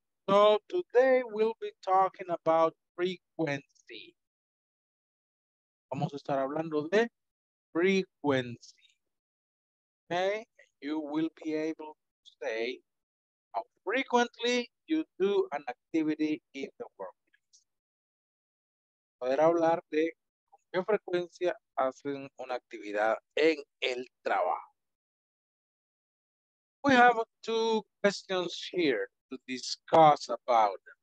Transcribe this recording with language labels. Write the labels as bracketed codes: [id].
[en] So today we'll be talking about frequency. [es] Vamos a estar hablando de [en] frequency. Okay, you will be able to say how frequently you do an activity in the workplace. [es] Poder hablar de con qué frecuencia hacen una actividad en el trabajo. [en] We have two questions here to discuss about.